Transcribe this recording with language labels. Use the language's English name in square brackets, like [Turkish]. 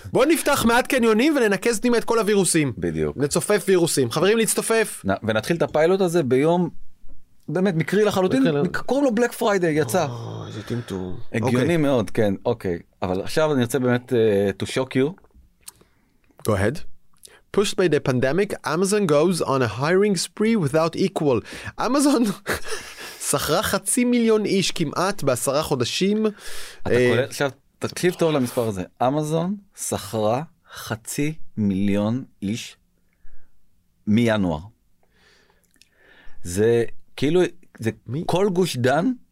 [Hebrew] בוא נפתח מעט קניונים וננקז פנימה את כל הווירוסים. בדיוק. נצופף וירוסים. חברים, להצטופף. ונתחיל את הפיילוט הזה ביום, באמת, מקרי לחלוטין, קוראים לו בלק פריידי, יצא. איזה טמטום. הגיוני מאוד, כן, אוקיי. אבל עכשיו אני רוצה באמת [English] to shock you. Go ahead. Pushed by the pandemic, Amazon goes on a hiring spree without equal. [Hebrew] Amazon שכרה 500,000 איש כמעט בעשרה חודשים. עכשיו, תקשיב טוב למספר הזה. Amazon שכרה 500,000 איש מינואר. זה כאילו, זה כל גוש דן